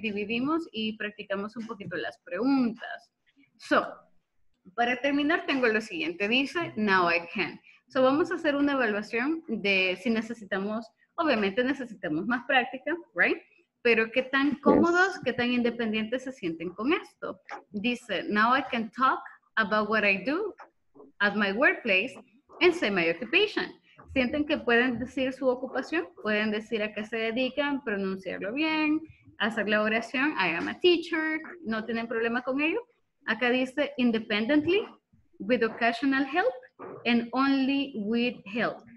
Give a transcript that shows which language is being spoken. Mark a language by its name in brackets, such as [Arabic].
[Spanish] Dividimos y practicamos un poquito las preguntas. So, para terminar tengo lo siguiente, dice, [English] now I can. [Spanish] So, vamos a hacer una evaluación de si necesitamos, obviamente necesitamos más práctica, right? Pero qué tan cómodos, yes, qué tan independientes se sienten con esto. [English] Dice, now I can talk about what I do at my workplace and say my occupation. [Spanish] ¿Sienten que pueden decir su ocupación? Pueden decir a qué se dedican, pronunciarlo bien, hacer la oración, [English] I am a teacher, [Spanish] no tienen problema con ello. Acá dice, [English] independently, with occasional help, and only with help.